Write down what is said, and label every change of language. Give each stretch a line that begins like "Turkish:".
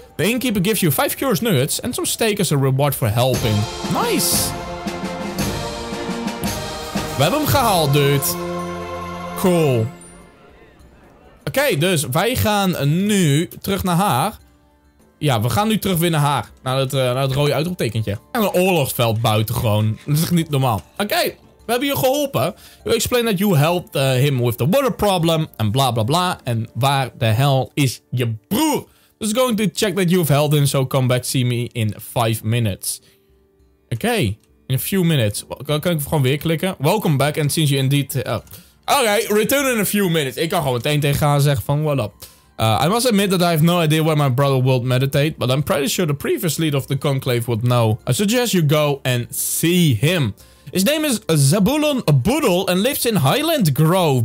English: The innkeeper gives you 5 curious nuggets and some steak as a reward for helping.
Dutch: Nice. We hebben hem gehaald, dude. Cool. Oké, dus wij gaan nu terug naar haar. Ja, we gaan nu terug weer naar haar. Naar het rode uitroeptekentje. En een oorlogsveld buiten gewoon. Dat is niet normaal. Oké, we hebben je geholpen.
English: You explain that you helped him with the water problem.
Dutch: En bla bla bla. En waar de hel is je broer? Dus
English: I'm going to check that you've helped him. So come back see me in 5 minutes. Oké, in a few minutes.
Dutch: Kan ik gewoon weer klikken?
English: Welcome back and since you indeed... Oké, return in a few minutes.
Dutch: Ik kan gewoon meteen tegen haar zeggen van,
English: what up? I must admit that I have no idea where my brother will meditate, but I'm pretty sure the previous leader of the conclave would know. I suggest you go and see him. His name is Zebulon Budel and lives in Highland Grove.